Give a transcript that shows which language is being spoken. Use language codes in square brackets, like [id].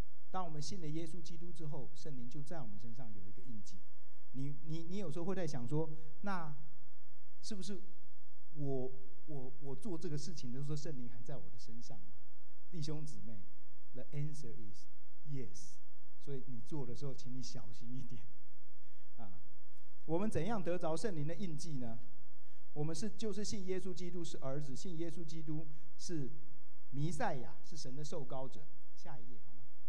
[zh] 当我们信了耶稣基督之后，圣灵就在我们身上有一个印记。你有时候会在想说，那是不是 我做这个事情的时候圣灵还在我的身上吗？弟兄姊妹， [en] The answer is yes。 [zh] 所以你做的时候请你小心一点啊。我们怎样得着圣灵的印记呢？我们是就是信耶稣基督是儿子，信耶稣基督是弥赛亚，是神的受膏者。下一页好吗？